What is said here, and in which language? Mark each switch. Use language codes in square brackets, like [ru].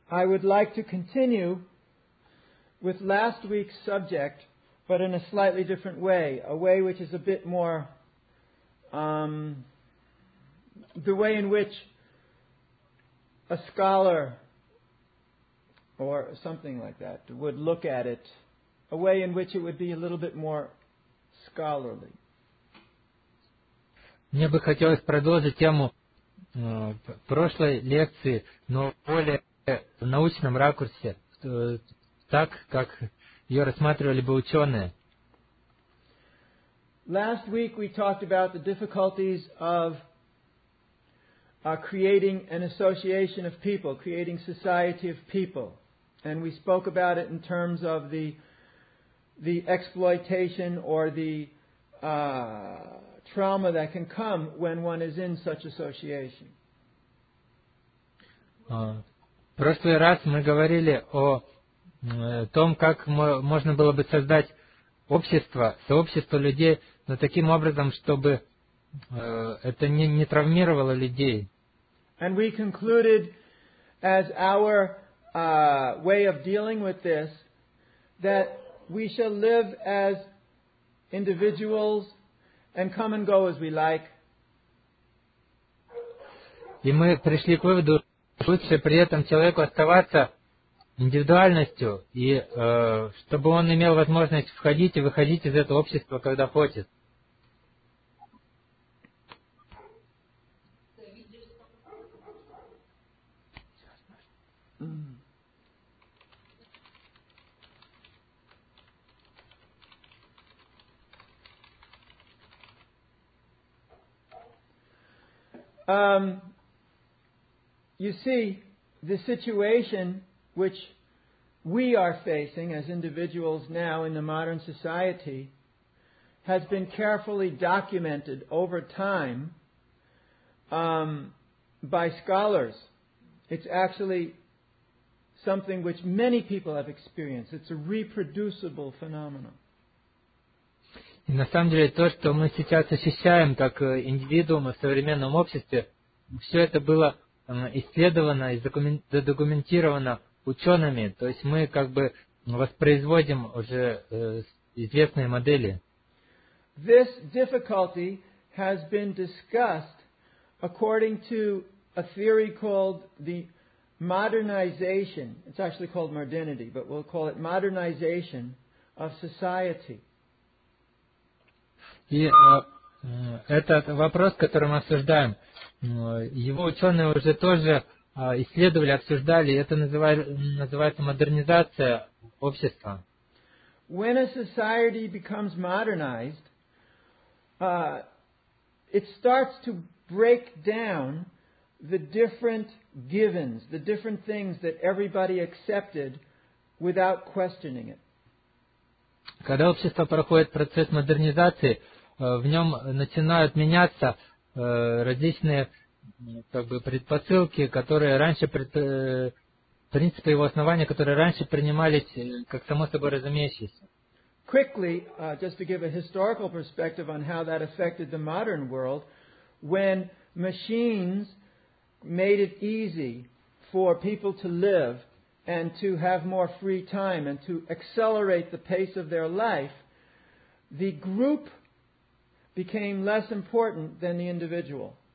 [en] I would like to continue with last week's subject, but in a slightly different way, a way which is a bit more the way in which a scholar or something like that would look at it, a way in which it would be a little bit more scholarly. [ru] Мне бы хотелось продолжить тему прошлой лекции, но более в научном ракурсе, так, как ее рассматривали бы ученые. [en] Last week we talked about the difficulties of creating an association of people, creating society of people. And we spoke about it in terms of the exploitation or the trauma that can come when one is in such association. [ru] В прошлый раз мы говорили о том, как можно было бы создать общество, сообщество людей, но таким образом, чтобы это не травмировало людей. [en] And we concluded as our way of dealing with this that we shall live as individuals and come and go as we like. [ru] И мы пришли к выводу, лучше при этом человеку оставаться индивидуальностью, и чтобы он имел возможность входить и выходить из этого общества, когда хочет. [en] You see, the situation which we are facing as individuals now in the modern society has been carefully documented over time by scholars. It's actually something which many people have experienced. It's a reproducible phenomenon. [ru] И на самом деле то, что мы сейчас ощущаем как индивидуумы в современном обществе, все это было исследовано и задокументировано учеными, то есть мы как бы воспроизводим уже известные модели. [en] This difficulty has been discussed according to a theory called the modernization, it's actually called modernity, but we'll call it modernization of society. [ru] И этот вопрос, который мы обсуждаем, его ученые уже тоже исследовали, обсуждали, и это называется модернизация общества. [en] When a society becomes modernized, it starts to break down the different givens, the different things that everybody accepted without questioning it. [ru] Когда общество проходит процесс модернизации, в нем начинают меняться различные как бы предпосылки, которые раньше принципы его основания, которые раньше принимались как само собой разумеющиеся. [en] Quickly, just to give a historical perspective on how that affected the modern world, when machines made it easy for people to live and to have more free time and to accelerate the pace of their life, the group became less important than the individual.